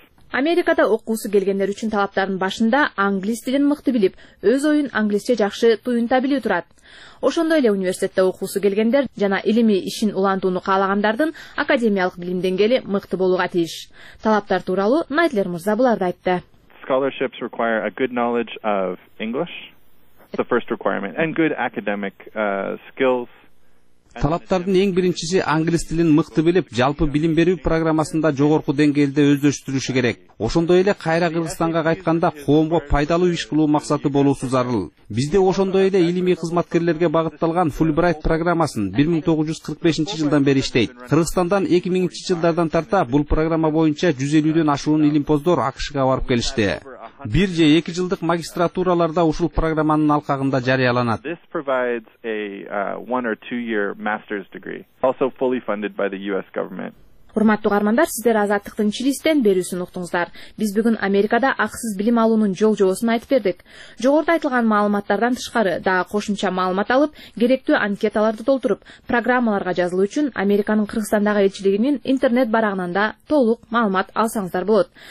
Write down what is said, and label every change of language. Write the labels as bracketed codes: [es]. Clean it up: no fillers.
[ky] Америкада окуусу келгендер үчүн талаптардын башында англис тилин мыкты билип, өз оюн англисче жакшы туюнта билүү турат. Ошондой эле университетте окуусу келгендер жана илимий ишин улантууну каалагандардын академиялык билим деңгээли мыкты болууга тийиш. Талаптар тууралуу Найтлер мырза буларды айтты. [en] Scholarships require a good knowledge of English. The first requirement and good academic skills. [ky] Талаптардын эң биринчиси англис тилин мыкты билип, жалпы билим берүү программасында жогорку деңгээлде өздөштүрүшү керек. Ошондой эле кайра Кыргызстанга кайтканда коомго пайдалуу иш кылуу максаты болуусу зарыл. Бизде ошондой эле илимий кызматкерлерге багытталган Fulbright программасын 1945 жылдан бери иштейт. Кыргызстандан 2000 жылдардан тарта бул программа боюнча 150 ашуун илимпоздор АКШга барып келишти. Бир же эки жылдык магистратураларда ушул программанын алкагында жарыяланат. [en] This provides a one or two year master's degree, also fully funded by the US government. [ky] Урматтуу каармандар, сиздер Азаттыктын Чилистен берүүсүн уктуңуздар. Биз бүгүн Америкада акысыз билим алуунун жол-жобосун айтып бердик. Жогоруда айтылган маалыматтардан тышкары дагы кошумча маалымат алып, керектүү анкеталарды толтуруп, программаларга жазылуу үчүн Американын Кыргызстандагы элчилигинин интернет барагынан да толук маалымат алсаңыздар болот.